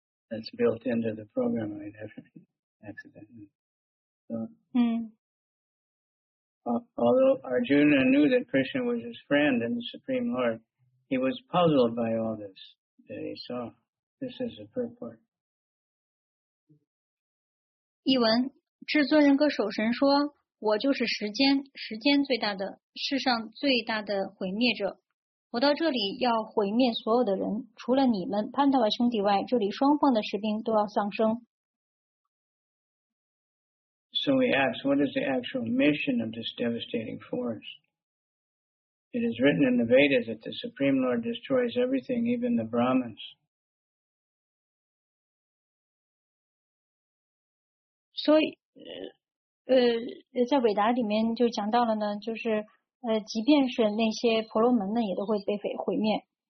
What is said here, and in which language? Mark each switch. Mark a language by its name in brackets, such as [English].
[English] That's built into the program, I definitely accidentally. Although Arjuna knew that Krishna was his friend and the Supreme Lord, he was puzzled by all this that he saw. This is the purport. [Chinese] 译文：至尊人格守神说，我就是时间，时间最大的，世上最大的毁灭者。我到这里要毁灭所有的人，除了你们潘达瓦兄弟外，这里双方的士兵都要丧生。 [English] So we ask, what is the actual mission of this devastating force? It is written in the Vedas that the Supreme Lord destroys everything, even the Brahmins. [Chinese] 所以，在韦达里面就讲到了呢，就是即便是那些婆罗门呢，也都会被毁灭。